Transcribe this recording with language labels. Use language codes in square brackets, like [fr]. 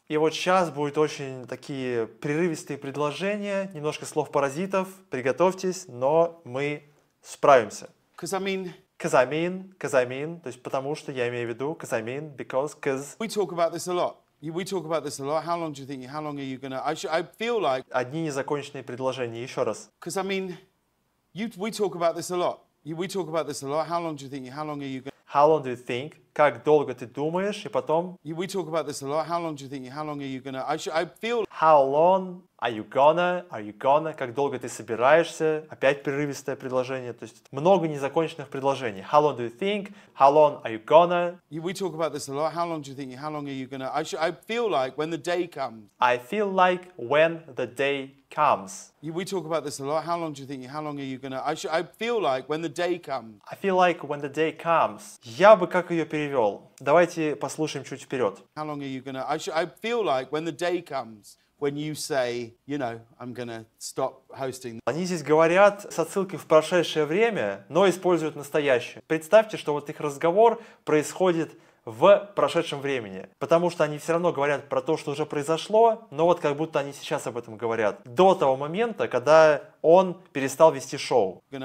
[ru] И вот сейчас будут очень такие прерывистые предложения, немножко слов-паразитов, приготовьтесь, но мы справимся. [en] Because I mean, [ru] то есть потому что, я имею в виду, because. [en] We talk about this a lot. We talk about this a lot. How long do you think? How long are you gonna? I feel like. [ru] Одни незаконченные предложения. Еще раз. [en] Because I mean, we talk about this a lot. We talk about this a lot. How long do you think? How long are you gonna? How long do you think? [ru] Как долго ты думаешь? И потом. [en] We talk about this a lot. How long do you think? How long are you gonna? I feel. How long are you gonna? Are you gonna? [ru] Как долго ты собираешься? Опять прерывистое предложение. То есть много незаконченных предложений. [en] How long do you think? How long are you gonna? We talk about this a lot. How long do you think? How long are you gonna? I feel like when the day comes. I feel like when the day comes. We talk about this a lot. How long do you think? How long are you gonna? I feel like when the day comes. I feel like when the day comes. [ru] Я бы как ее перевел. Давайте послушаем чуть вперед. [en] How long are you gonna? I feel like when the day comes. When you say, you know, I'm gonna stop hosting. [ru] Они здесь говорят с отсылкой в прошедшее время, но используют настоящее. Представьте, что вот их разговор происходит в прошедшем времени. Потому что они все равно говорят про то, что уже произошло, но вот как будто они сейчас об этом говорят. До того момента, когда он перестал вести шоу.